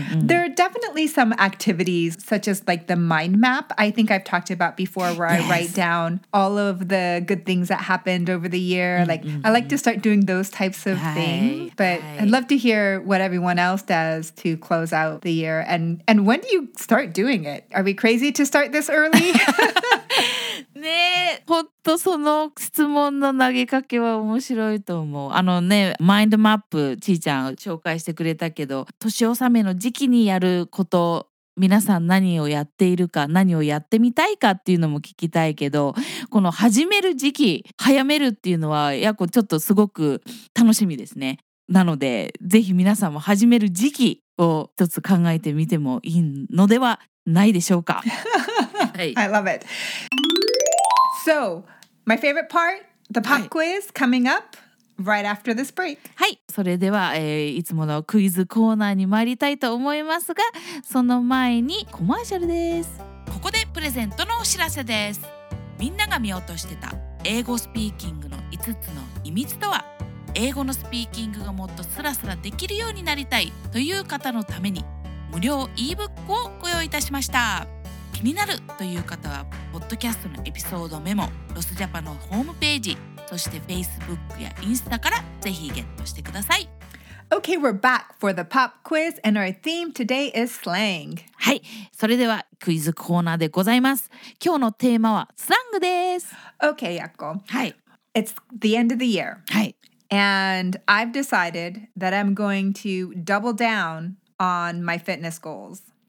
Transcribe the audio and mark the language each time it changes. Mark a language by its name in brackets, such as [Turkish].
[English] There are definitely some activities such as like the mind map I think I've talked about before where I write down all of the good things that happened over the year. Like, I like to start doing those types of things. But I'd love to hear what everyone else does to close out the year. And when do you start doing it? Are we crazy to start this early? [Japanese] ねえ、ほんとその質問の投げかけは面白いと思う。あのね、マインドマップちーちゃん紹介してくれたけど、年納めの時期にやること、皆さん何をやっているか、何をやってみたいかっていうのも聞きたいけど、この始める時期早めるっていうのはやこちょっとすごく楽しみですね。なのでぜひ皆さんも始める時期を一つ考えてみてもいいのではないでしょうか。 [English] I love it. So, my favorite part, the pop quiz coming up right after this break. [Japanese] はい、それでは、いつものクイズコーナーに参りたいと思いますが、その前にコマーシャルです。ここでプレゼントのお知らせです。みんなが見落としてた英語スピーキングの5つの秘密とは、英語のスピーキングがもっとスラスラできるようになりたいという方のために無料 e-book をご用意いたしました。気になるという方はポッドキャストのエピソードメモ、ロスジャパのホームページ、そして Facebook やインスタからぜひゲットしてください。 [English] Okay, we're back for the pop quiz and our theme today is slang. [Japanese] はい、それではクイズコーナーでございます。今日のテーマはスラングです。 [English] Okay, Yakko. [Japanese] はい。 [English] It's the end of the year. [Japanese] はい。 [English] And I've decided that I'm going to double down on my fitness goals.